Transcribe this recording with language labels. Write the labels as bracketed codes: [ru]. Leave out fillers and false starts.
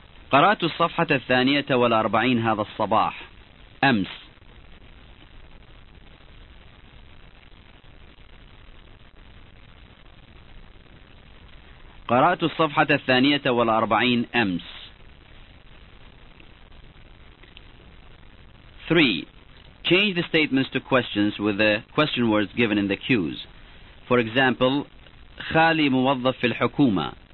[ar] قرأت الصفحة 42 هذا الصباح أمس. قرأت الصفحة الثانية والأربعين أمس. [en] 3. Change the statements to questions with the question words given in the cues. For example, [ar] خالي موظف في الحكومة.